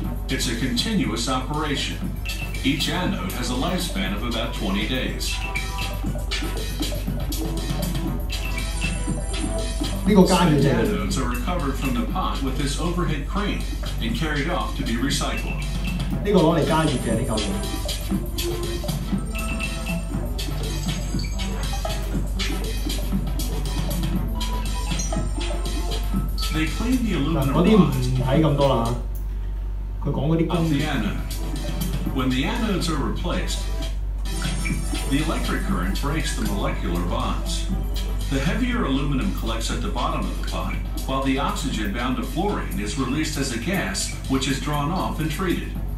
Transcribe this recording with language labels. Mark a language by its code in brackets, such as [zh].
[en] It's a continuous operation. Each anode has a lifespan of about 20 days. [yue] 呢個加熱啫。 [en] The anodes are recovered from the pot with this overhead crane and carried off to be recycled. [yue] 呢個攞嚟加熱嘅呢嚿嘢。 [en] They clean the aluminum. [yue] 嗰啲唔睇咁多啦，佢講嗰啲工。 [en] The anode. When the anodes are replaced, the electric current breaks the molecular bonds. The heavier aluminum collects at the bottom of the pot, while the oxygen bound to fluorine is released as a gas, which is drawn off and treated.